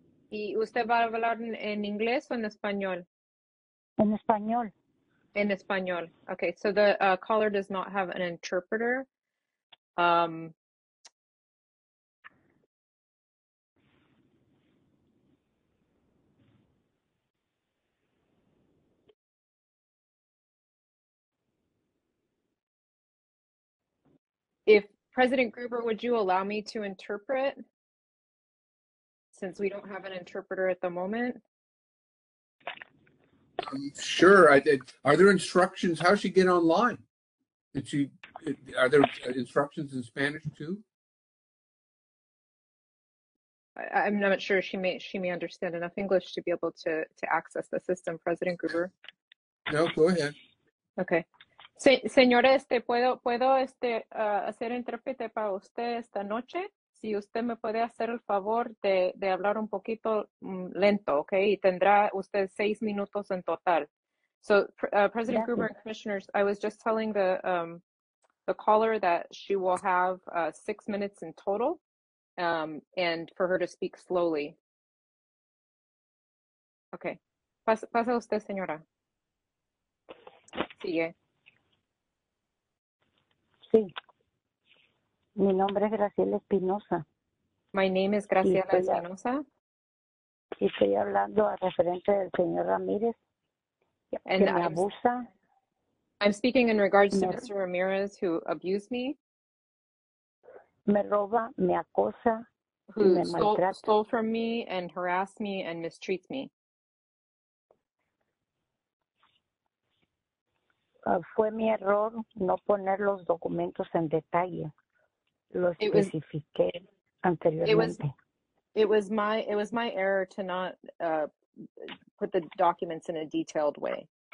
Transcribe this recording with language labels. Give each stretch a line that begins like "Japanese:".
Spanish: ¿Y usted va a hablar en inglés o en español? En español. En español.
English: Okay, so the caller does not have an interpreter. If President Gruber, would you allow me to interpret since we don't have an interpreter at the moment? Sure. I did. Are there instructions? How does she get online? Are there instructions in Spanish too? I'm not sure. She may understand enough English to be able to access the system, President Gruber. No, go ahead. Okay.
Spanish: Señora, ¿puedo hacer intérprete para usted esta noche? Si usted me puede hacer el favor de hablar un poquito lento, okay? Y tendrá usted 6 minutos en total.
English: So, President Gruber and Commissioners, I was just telling the caller that she will have 6 minutes in total, and for her to speak slowly.
Spanish: Okay. Pasa usted, señora. Sigue. Sí. Mi nombre es Graciela Espinosa.
English: My name is Graciela Espinosa.
Spanish: Y estoy hablando a referente del señor Ramírez, and que me abusa.
English: I'm speaking in regards to Mr. Ramirez, who abused me.
Spanish: Me roba, me acosa,
English: who me stole from me and harassed me and mistreats me.
Spanish: Fue mi error no poner los documentos en detalle. Lo especifiqué anteriormente.
English: It was my error to not put the documents in a detailed way.